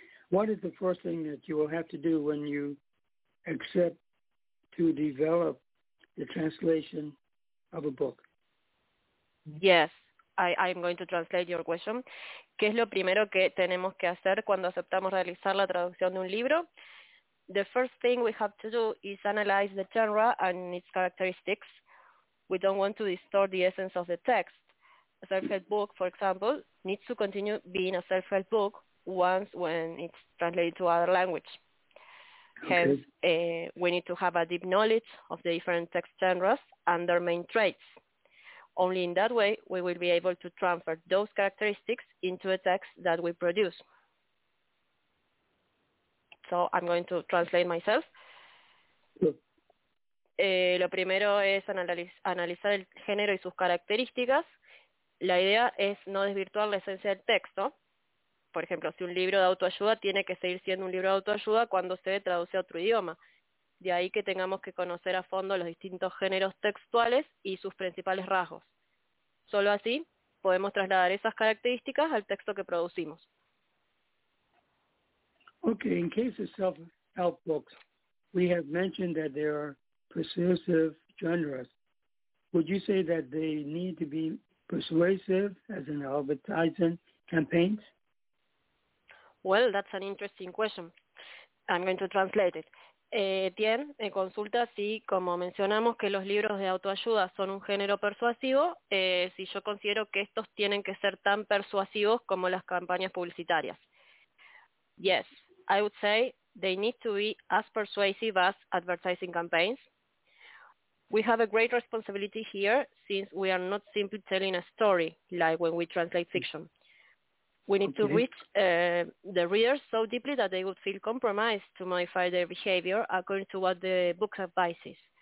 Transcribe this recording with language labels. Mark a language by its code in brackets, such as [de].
[en] What is the first thing that you will have to do when you accept to develop the translation of a book? Yes, I'm going to translate your question. [es] ¿Qué es lo primero que tenemos que hacer cuando aceptamos realizar la traducción de un libro? [en] The first thing we have to do is analyze the genre and its characteristics. We don't want to distort the essence of the text. A self-help book, for example, needs to continue being a self-help book once when it's translated to other language. Okay. Hence, we need to have a deep knowledge of the different text genres and their main traits. Only in that way, we will be able to transfer those characteristics into a text that we produce. So I'm going to translate myself. [es] Lo primero es analizar el género y sus características. La idea es no desvirtuar la esencia del texto. Por ejemplo, si un libro de autoayuda tiene que seguir siendo un libro de autoayuda cuando se traduce a otro idioma. De ahí que tengamos que conocer a fondo los distintos géneros textuales y sus principales rasgos. Solo así podemos trasladar esas características al texto que producimos. [en] Okay, in case of self-help books, we have mentioned that there are persuasive genres. Would you say that they need to be persuasive as in advertising campaigns? Well, that's an interesting question. I'm going to translate it. [es] Tien, me consulta si, como mencionamos que los libros de autoayuda son un género persuasivo, si yo considero que estos tienen que ser tan persuasivos como las campañas publicitarias. [en] Yes. I would say they need to be as persuasive as advertising campaigns. We have a great responsibility here since we are not simply telling a story like when we translate fiction. We need okay. to reach the readers so deeply that they would feel compromised to modify their behavior according to what the book advises.